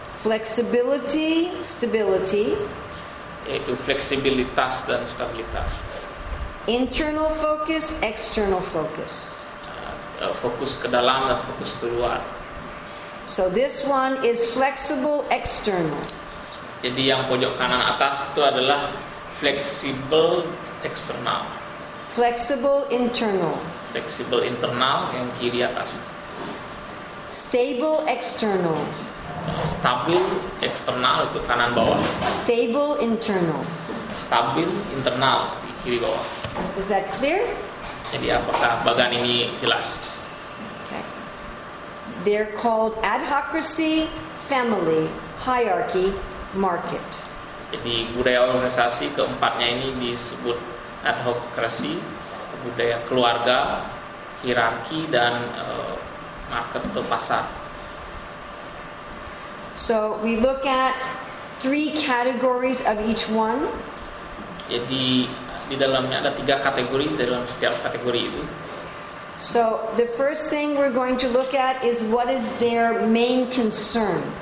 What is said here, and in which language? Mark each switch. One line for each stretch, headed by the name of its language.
English: Flexibility, stability.
Indonesian: Yaitu fleksibilitas dan stabilitas.
English: Internal focus, external focus.
Indonesian: Fokus ke dalam dan fokus keluar.
English: So this one is flexible external.
Indonesian: Jadi yang pojok kanan atas itu adalah
English: flexible external. Flexible internal. Flexible internal
Indonesian: yang kiri atas.
English: Stable external.
Indonesian: Stabil eksternal itu kanan bawah.
English: Stable internal.
Indonesian: Stabil internal di kiri bawah.
English: Is that clear?
Indonesian: Jadi apakah bagian ini jelas?
English: Okay. They're called adhocracy, family, hierarchy, market.
Indonesian: Jadi budaya organisasi keempatnya ini disebut adhocracy, budaya keluarga, hierarki dan market atau pasar.
English: So we look at 3 categories of each one.
Indonesian: Jadi di dalamnya ada 3 kategori dalam setiap kategori itu.
English: So the first thing we're going to look at is what is their main concern.